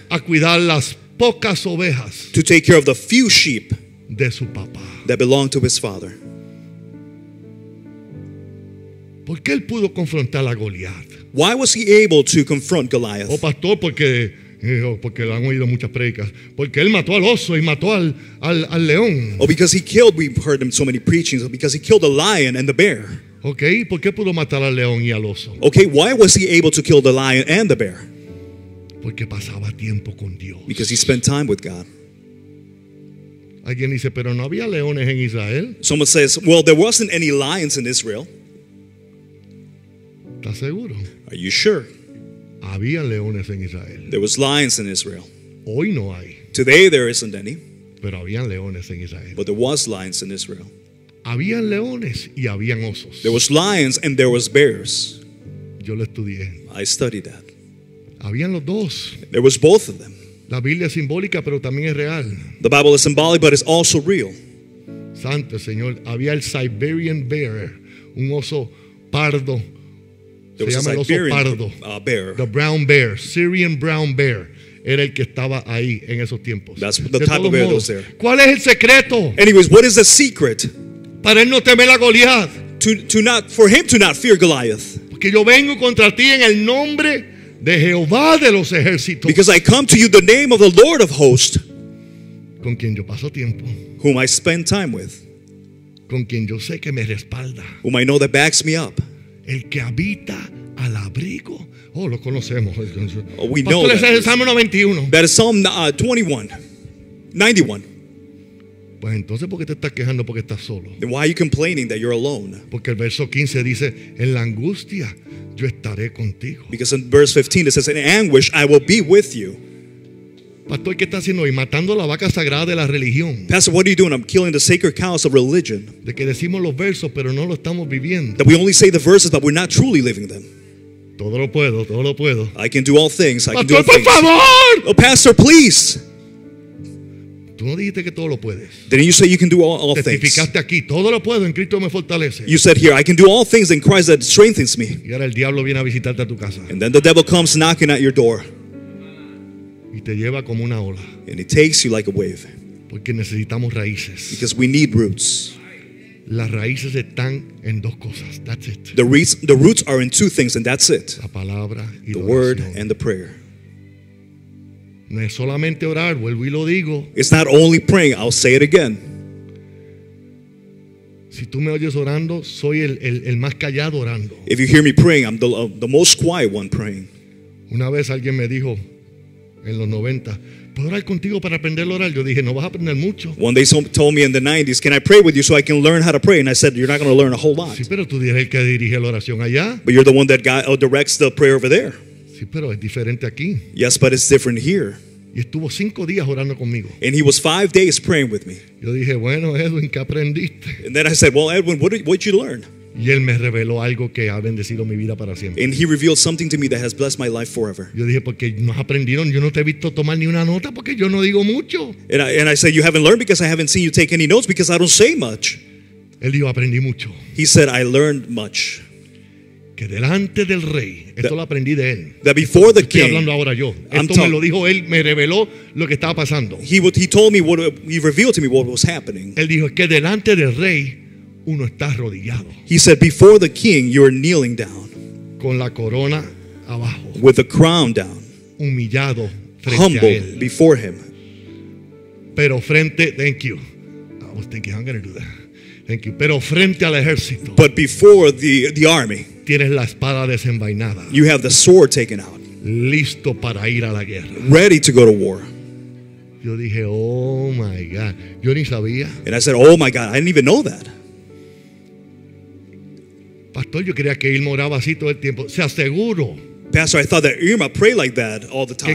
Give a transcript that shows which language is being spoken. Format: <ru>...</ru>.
<es>A cuidar las pocas ovejas.</es> <en>To take care of the few sheep.</en> <es>de su papá.</es> <en>That belonged to his father.</en> <es>¿Por qué él pudo confrontar a Goliat?</es> <en>Why was he able to confront Goliath?</en> <es>Oh, pastor, porque le han oído muchas predicas. Porque él mató al oso y mató al león.</es> <en>Oh, because he killed, we've heard him so many preachings, because he killed the lion and the bear.</en> <es>Okay, ¿por qué pudo matar al león y al oso?</es> <en>Okay, why was he able to kill the lion and the bear?</en> <es>Porque pasaba tiempo con Dios.</es> <en>Because he spent time with God.</en> <es>Alguien dice, pero no había leones en Israel.</es> <en>Someone says, well, there wasn't any lions in Israel.</en> <es>¿Estás seguro?</es> <en>Are you sure?</en> <es>Había leones en Israel.</es> <en>There was lions in Israel.</en> <es>Hoy no hay.</es> <en>Today there isn't any.</en> <es>Pero había leones en Israel.</es> <en>But there was lions in Israel.</en> <es>Habían leones y habían osos.</es> <en>There was lions and there was bears.</en> <es>Yo lo estudié.</es> <en>I studied that.</en> <es>Habían los dos.</es> <en>There was both of them.</en> <es>La Biblia es simbólica, pero también es real.</es> <en>The Bible is symbolic, but it's also real.</en> <es>Santo Señor, había el Siberian bear, un oso pardo.</es> <en>There</en> <es>se</es> <en>was</en> <es>llama</es> <en>a Siberian,</en> <es>el oso pardo.</es> <en>Bear. The brown bear, Syrian brown bear.</en> <es>Era el que estaba ahí en esos tiempos.</es> <en>That's the type of bear that was there.</en> <es>¿Cuál es el secreto?</es> <en>Anyways, what is the secret?</en> <es>Para él no temer a Goliat.</es> <en>For him to not fear Goliath.</en> <es>Porque yo vengo contra ti en el nombre de Jehová de los ejércitos.</es> <en>Because I come to you the name of the Lord of hosts.</en> <es>Con quien yo paso tiempo.</es> <en>Whom I spend time with.</en> <es>Con quien yo sé que me respalda.</es> <en>Whom I know that backs me up.</en> <es>El que habita al abrigo. Oh, lo conocemos.</es> <en>We know that.</en> <es>Es el Salmo 91.</es> <en>That is Psalm 91.</en> <es>Pues entonces, ¿por qué te estás quejando porque estás solo?</es> <en>Then why are you complaining that you're alone?</en> <es>Porque el verso 15 dice, en la angustia yo estaré contigo.</es> <en>Because in verse 15 it says, in anguish I will be with you.</en> <es>Pastor, ¿qué está haciendo hoy? Matando la vaca sagrada de la religión.</es> <en>Pastor, what are you doing? I'm killing the sacred cows of religion.</en> <es>De que decimos los versos, pero no lo estamos viviendo.</es> <en>That we only say the verses, but we're not truly living them.</en> <es>Todo lo puedo, todo lo puedo.</es> <en>I can do all things.</en> <es>Pastor,</es> <en>I can do all</en> <es>por</es> <en>things.</en> <es>Favor.</es> <en>Oh, pastor, please.</en> <es>Tú no dijiste que todo lo puedes.</es> <en>Didn't you say you can do all things?</en> <es>Testificaste aquí, todo lo puedo en Cristo me fortalece.</es> <en>You said here, I can do all things in Christ that strengthens me.</en> <es>Y ahora el diablo viene a visitarte a tu casa.</es> <en>And then the devil comes knocking at your door.</en> <es>Y te lleva como una ola.</es> <en>And it takes you like a wave.</en> <es>Porque necesitamos raíces.</es> <en>Because we need roots.</en> <es>Las raíces están en dos cosas.</es> <en>That's it. The roots are in two things, and that's it.</en> <es>La palabra y la oración.</es> <en>The word and the prayer.</en> <es>No es solamente orar, vuelvo y lo digo.</es> <en>It's not only praying, I'll say it again.</en> <es>Si tú me oyes orando, soy el más callado orando.</es> <en>If you hear me praying, I'm the most quiet one praying.</en> <es>Una vez alguien me dijo en los 90, ¿puedo orar contigo para aprender a orar? Yo dije, no vas a aprender mucho.</es> <en>One day someone told me in the 90s, can I pray with you so I can learn how to pray? And I said, you're not going to learn a whole lot.</en> <es>Sí, pero tú eres el que dirige la oración allá.</es> <en>But you're the one that directs the prayer over there.</en> <es>Sí, pero es diferente aquí.</es> <en>Yes, but it's different here.</en> <es>Y estuvo 5 días orando conmigo.</es> <en>And he was 5 days praying with me.</en> <es>Yo dije, bueno, Edwin, ¿qué aprendiste?</es> <en>And then I said, well, Edwin, what did you learn?</en> <es>Y él me reveló algo que ha bendecido mi vida para siempre.</es> <en>And he revealed something to me that has blessed my life forever.</en> <es>Yo dije, porque no has aprendido, yo no te he visto tomar ni una nota porque yo no digo mucho.</es> <en>And I said, you haven't learned because I haven't seen you take any notes because I don't say much.</en> <es>Él dijo, aprendí mucho.</es> <en>He said, I learned much.</en> <es>Que delante del rey, esto lo aprendí de él.</es> <en>That before the king,</en> <es>estoy hablando ahora yo. Esto me lo dijo él, me reveló lo que estaba pasando.</es> <en>He told me what he revealed to me what was happening.</en> <es>Él dijo que delante del rey uno está arrodillado.</es> <en>He said before the king you are kneeling down.</en> <es>Con la corona abajo.</es> <en>With the crown down.</en> <es>Humillado frente</es> <en>humble</en> <es>a él.</es> <en>Before him.</en> <es>Pero frente,</es> <en>thank you. I was thinking I'm going to do that. Thank you.</en> <es>Pero frente al ejército.</es> <en>But before the army.</en> <es>Tienes la espada desenvainada.</es> <en>You have the sword taken out.</en> <es>Listo para ir a la guerra.</es> <en>Ready to go to war.</en> <es>Yo dije,</es> <en>oh my God.</en> <es>Yo ni sabía.</es> <en>And I said, oh my God, I didn't even know that.</en> <es>Pastor, yo creía que Irma oraba así todo el tiempo. Se aseguro.</es> <en>Pastor, I thought that Irma prayed like that all the time.</en>